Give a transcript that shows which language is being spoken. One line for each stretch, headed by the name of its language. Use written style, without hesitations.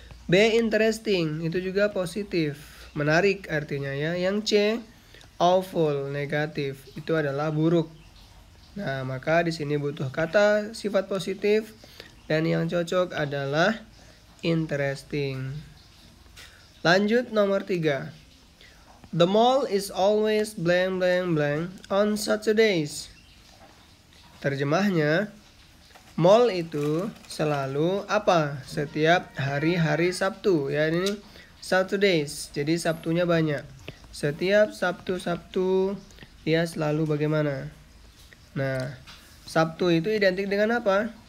Indonesian: B, interesting. Itu juga positif. Menarik artinya ya. Yang C, awful. Negatif. Itu adalah buruk. Nah, maka di sini butuh kata sifat positif. Dan yang cocok adalah interesting. Lanjut nomor 3.
English: The mall is always blank blank blank on Saturdays.
Indonesian: Terjemahnya, mall itu selalu apa? Setiap hari-hari Sabtu ya, ini Saturdays. Jadi Sabtunya banyak. Setiap Sabtu-Sabtu dia selalu bagaimana? Nah, Sabtu itu identik dengan apa?